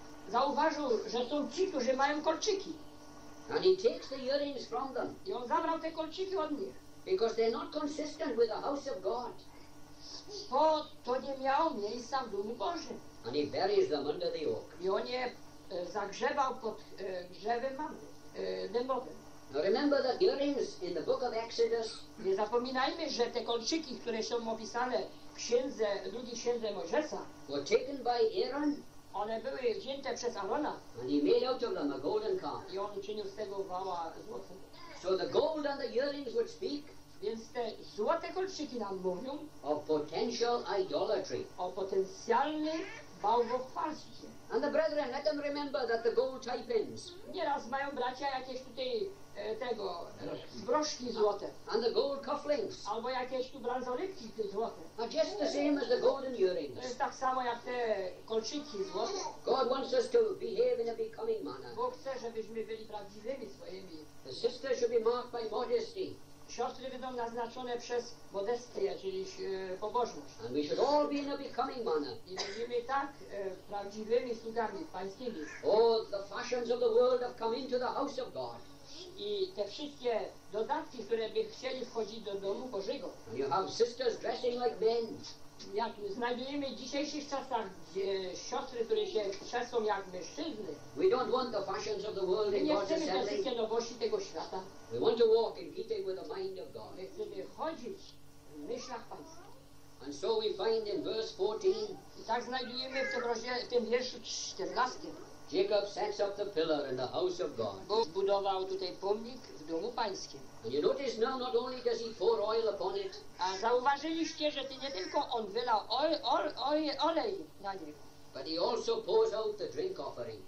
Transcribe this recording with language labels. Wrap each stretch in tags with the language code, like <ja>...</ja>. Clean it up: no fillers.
<pl>Zauważył, że są ci, którzy mają kolczyki.</pl> <en>And he takes the earrings from them.</en> <pl>I on zabrał te kolczyki od nich.</pl> <en>Because they're not consistent with the house of God.</en> <pl>Bo to nie miało miejsca w domu Bożym.</pl> <en>And he buries them under the oak.</en> <pl>I on je zagrzebał pod drzewem mamry, dębowym.</pl> <en>Now remember the earrings in the book of Exodus.</en> <pl>Nie zapominajmy, że te kolczyki, które są opisane w księdze, drugiej księdze Mojżesa,</pl> <en>were taken by Aaron.</en> <pl>One były wzięte przez Arona.</pl> <en>And he made out of them a golden calf.</en> <pl>I on uczynił z tego wała złota.</pl> <en>So the gold and the earrings would speak.</en> <pl>Więc te złote kolczyki nam mówią</pl> <en>o potential idolatry.</en> <pl>O potencjalnym bałwochwalstwie.</pl> <en>And the brethren, let them remember that the gold typings.</en> <pl>Nieraz mają bracia jakieś tutaj tego broszki złote.</pl> <en>And the gold cufflinks.</en> <pl>Albo jakieś tu bransoletki złote.</pl> <en>Are just the same as the golden earrings.</en> <pl>To jest tak samo jak te kolczyki złote.</pl> <en>God wants us to behave in a becoming manner.</en> <pl>Bóg chce, żebyśmy byli prawdziwymi swoimi.</pl> <en>The sisters should be marked by modesty.</en> <pl>Siostry będą naznaczone przez modestię, czyli pobożność.</pl> <en>And we should all be in a becoming manner.</en> <pl>I będziemy tak prawdziwymi sługami pańskimi.</pl> <en>All the fashions of the world have come into the house of God.</en> <pl>I te wszystkie dodatki, które by chcieli wchodzić do domu Bożego.</pl> <en>And you have sisters dressing like men.</en> <pl>Jak znajdujemy w dzisiejszych czasach siostry, które się trzęsą jak mężczyzny.</pl> <en>We don't want the fashions of the world.</en> <pl>My nie chcemy te wszystkie nowości tego świata.</pl> <en>We want to walk in keeping with the mind of God.</en> <pl>My chcemy chodzić w myślach Pańskich.</pl> <en>And so we find in verse 14.</en> <pl>I tak znajdujemy w tym wierszu 14.</pl> <en>Jacob sets up the pillar in the house of God.</en> <pl>Bóg budował tutaj pomnik w domu Pańskim.</pl> <en>And you notice now not only does he pour oil upon it.</en> <pl>A zauważyliście, że ty nie tylko on wylał olej na niego.</pl> <en>But he also pours out the drink offering.</en>